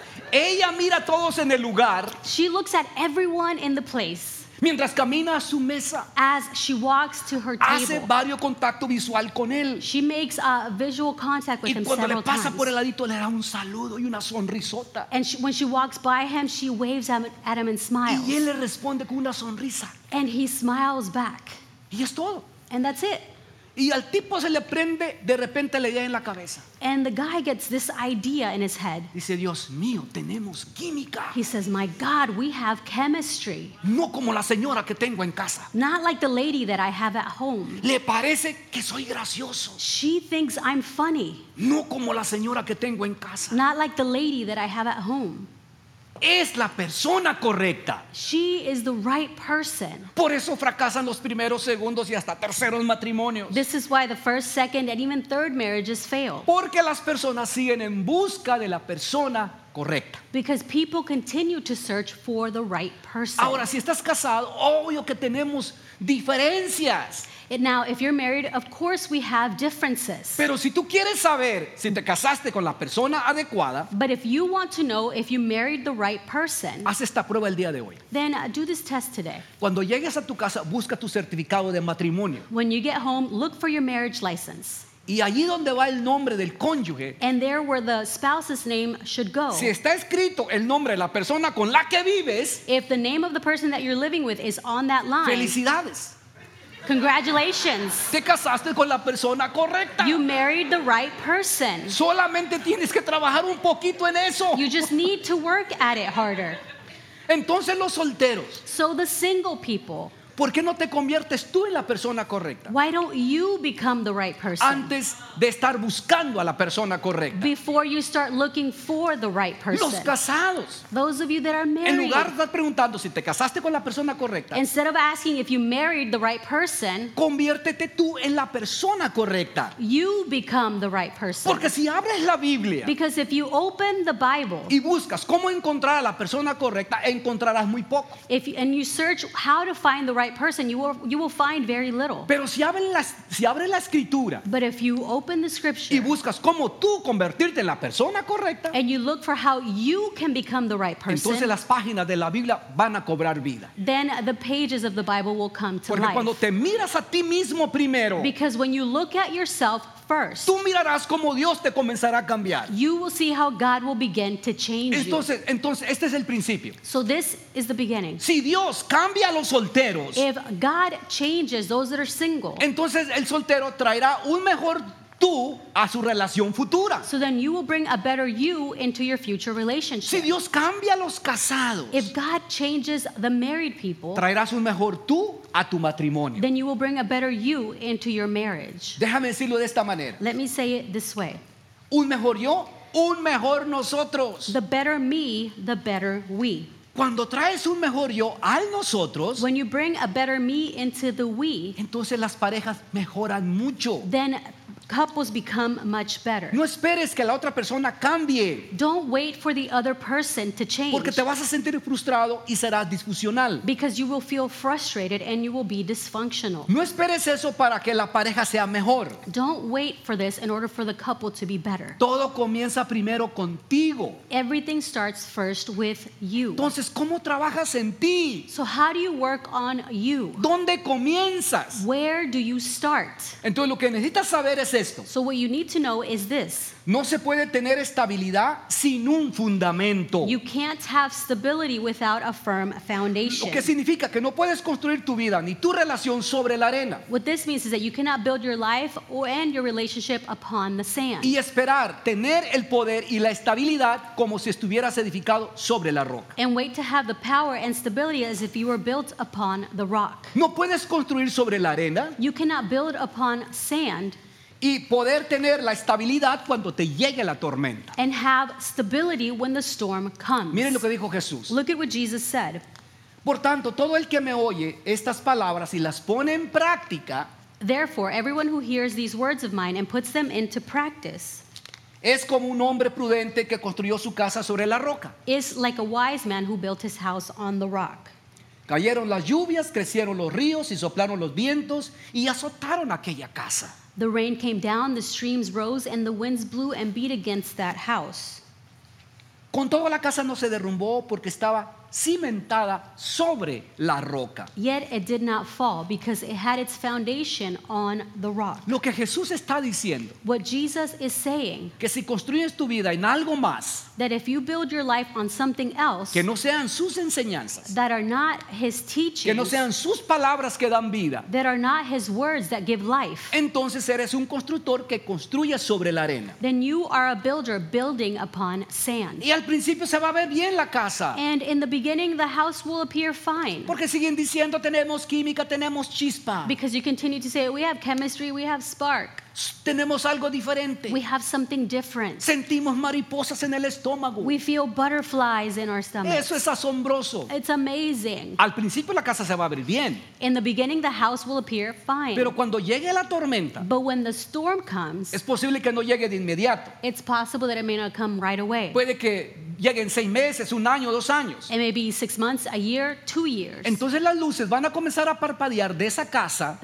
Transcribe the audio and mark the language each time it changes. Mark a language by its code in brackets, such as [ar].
[es] Ella mira a todos en el lugar. [en] She looks at everyone in the place. [es] Mientras camina a su mesa, [en] as she walks to her table, [es] hace varios contactos visuales con él. [en] She makes a visual contact with him several times. [es] Y cuando le pasa por el ladito, le da un saludo y una sonrisota. [en] And she, when she walks by him, she waves at him and smiles. [es] Y él le responde con una sonrisa. [en] And he smiles back. [es] Y es todo. [en] And that's it. [es] Y al tipo se le prende de repente la idea en la cabeza. [en] And the guy gets this idea in his head. [es] Dice, Dios mío, tenemos química. [en] He says, my God, we have chemistry. [es] No como la señora que tengo en casa. [en] Not like the lady that I have at home. [es] Le parece que soy gracioso. [en] She thinks I'm funny. [es] No como la señora que tengo en casa. [en] Not like the lady that I have at home. [es] Es la persona correcta. [en] She is the right person. [es] Por eso fracasan los primeros, segundos y hasta terceros matrimonios. [en] This is why the first, second, and even third marriages fail. [es] Porque las personas siguen en busca de la persona correcta. [en] Because people continue to search for the right person. [es] Ahora, si estás casado, obvio que tenemos diferencias. [en] Now, if you're married, of course we have differences. [es] Pero si tú quieres saber si te casaste con la persona adecuada, [en] but if you want to know if you married the right person, [es] haz esta prueba el día de hoy. [en] Then do this test today. [es] Cuando llegues a tu casa, busca tu certificado de matrimonio. [en] When you get home, look for your marriage license. [es] Y allí donde va el nombre del cónyuge, [en] and there where the spouse's name should go, [es] si está escrito el nombre de la persona con la que vives, [en] if the name of the person that you're living with is on that line, [es] felicidades. [en] Congratulations. [es] Te casaste con la persona correcta. [en] You married the right person. [es] Solamente tienes que trabajar un poquito en eso. [en] You just need to work at it harder. [es] Entonces los solteros. [en] So the single people. [es] ¿Por qué no te conviertes tú en la persona correcta? [en] Why don't you become the right person? [es] Antes de estar buscando a la persona correcta. [en] Before you start looking for the right person. [es] Los casados. [en] Those of you that are married. [es] En lugar de estar preguntando si te casaste con la persona correcta. [en] Instead of asking if you married the right person. [es] Conviértete tú en la persona correcta. [en] You become the right person. [es] Porque si abres la Biblia. [en] Because if you open the Bible. [es] Y buscas cómo encontrar a la persona correcta, encontrarás muy poco. [en] If you, and you search how to find the right person, you will find very little. [es] Pero si abren la escritura, [en] but if you open the scripture, [es] y buscas cómo tú convertirte en la persona correcta, [en] and you look for how you can become the right person, [es] entonces las páginas de la Biblia van a cobrar vida. [en] Then the pages of the Bible will come to life. [es] Porque cuando te miras a ti mismo primero, [en] because when you look at yourself first, [es] tú mirarás cómo Dios te comenzará a cambiar. [en] You will see how God will begin to change you. [es] Entonces, este es el principio. [en] So this is the beginning. [es] Si Dios cambia a los solteros, [en] if God changes those that are single, [es] entonces el soltero traerá un mejor tú a su relación futura. [en] So then you will bring a better you into your future relationship. [es] Si Dios cambia a los casados, [en] if God changes the married people, [es] traerás un mejor tú a tu matrimonio. [en] Then you will bring a better you into your marriage. [es] Déjame decirlo de esta manera. [en] Let me say it this way. [es] Un mejor yo, un mejor nosotros. [en] The better me, the better we. [es] Cuando traes un mejor yo al nosotros, [en] when you bring a better me into the we, [es] entonces las parejas mejoran mucho. [en] Then couples become much better. [es] No esperes que la otra persona cambie. [en] Don't wait for the other person to change. [es] Porque te vas a sentir frustrado y serás disfuncional. [en] Because you will feel frustrated and you will be dysfunctional. [es] No esperes eso para que la pareja sea mejor. [en] Don't wait for this in order for the couple to be better. [es] Todo comienza primero contigo. [en] Everything starts first with you. [es] Entonces, ¿cómo trabajas en ti? [en] So how do you work on you? [es] ¿Dónde comienzas? [en] Where do you start? [es] Entonces, lo que necesitas saber es esto. [en] So what you need to know is this. [es] No se puede tener estabilidad sin un fundamento. [en] You can't have stability without a firm foundation. [es] Lo que significa que no puedes construir tu vida ni tu relación sobre la arena. [en] What this means is that you cannot build your life and your relationship upon the sand. [es] Y esperar tener el poder y la estabilidad como si estuvieras edificado sobre la roca. [en] And wait to have the power and stability as if you were built upon the rock. [es] No puedes construir sobre la arena. [en] You cannot build upon sand. [es] Y poder tener la estabilidad cuando te llegue la tormenta. [en] And have stability when the storm comes. [es] Miren lo que dijo Jesús. [en] Look at what Jesus said. [es] Por tanto, todo el que me oye estas palabras y las pone en práctica, [en] therefore, everyone who hears these words of mine and puts them into practice, [es] es como un hombre prudente que construyó su casa sobre la roca. [en] Is like a wise man who built his house on the rock. [es] Cayeron las lluvias, crecieron los ríos y soplaron los vientos y azotaron aquella casa. [en] The rain came down, the streams rose, and the winds blew and beat against that house. [es] Con todo, la casa no se derrumbó porque estaba cimentada sobre la roca. [en] Yet it did not fall because it had its foundation on the rock. [es] Lo que Jesús está diciendo, [en] what Jesus is saying, [es] que si construyes tu vida en algo más, [en] that if you build your life on something else, [es] que no sean sus enseñanzas, [en] that are not his teachings, [es] que no sean sus palabras que dan vida, [en] that are not his words that give life, [es] entonces eres un constructor que construye sobre la arena. [en] Then you are a builder building upon sand. [es] Y al principio se va a ver bien la casa. [en] And in the beginning, the house will appear fine. [es] Porque siguen diciendo, tenemos química, tenemos chispa. [en] Because you continue to say, we have chemistry, we have spark. [es] Tenemos algo diferente. [en] We have something different. [es] Sentimos mariposas en el estómago. [en] We feel butterflies in our stomach. [es] Eso es asombroso. [en] It's amazing. [es] Al principio la casa se va a ver bien. [en] In the beginning the house will appear fine. [es] Pero cuando llegue la tormenta, [en] but when the storm comes, [es] es posible que no llegue de inmediato. [en] It's possible that it may not come right away. [es] Puede que llegue en 6 meses, 1 año, 2 años. [en] It may be 6 months, 1 year, 2 years. [es] Entonces las luces van a comenzar a parpadear de esa casa.